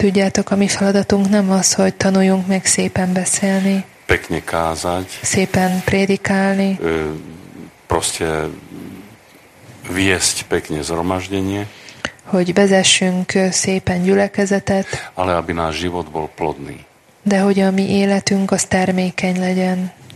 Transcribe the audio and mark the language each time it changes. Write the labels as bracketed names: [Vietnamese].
[Hungarian] Tudjátok, a mi feladatunk nem az, hogy tanuljunk meg szépen beszélni. [Slovak] Pekne kázať. [Hungarian] Szépen prédikálni. [Slovak] Proste viesť pekne zhromaždenie. [Hungarian] Hogy vezessünk szépen gyülekezetet. [Slovak] Ale aby náš život bol plodný. [Hungarian] De hogy a mi életünk az termékeny legyen.